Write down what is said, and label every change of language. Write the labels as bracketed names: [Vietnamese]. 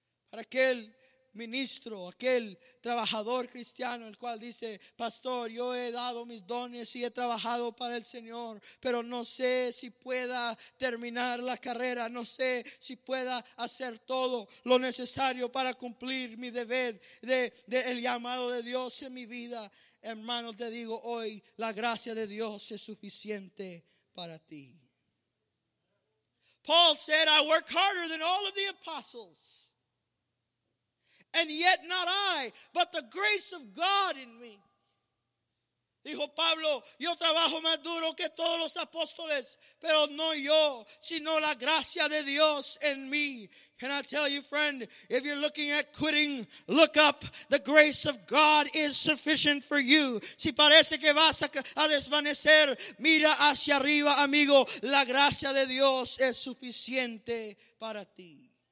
[Spanish] Para aquel ministro, aquel trabajador cristiano, el cual dice, Pastor, yo he dado mis dones y he trabajado para el Señor, pero no sé si pueda terminar la carrera, no sé si pueda hacer todo lo necesario para cumplir mi deber de el llamado de Dios en mi vida. Hermano, te digo hoy, la gracia de Dios es suficiente para ti. [English] Paul said, I work harder than all of the apostles. And yet not I, but the grace of God in me. [Spanish] Dijo Pablo, yo trabajo más duro que todos los apóstoles, pero no yo, sino la gracia de Dios en mí. [English] Can I tell you, friend, if you're looking at quitting, look up. The grace of God is sufficient for you. [Spanish] Si parece que vas a desvanecer, mira hacia arriba, amigo. La gracia de Dios es suficiente para ti.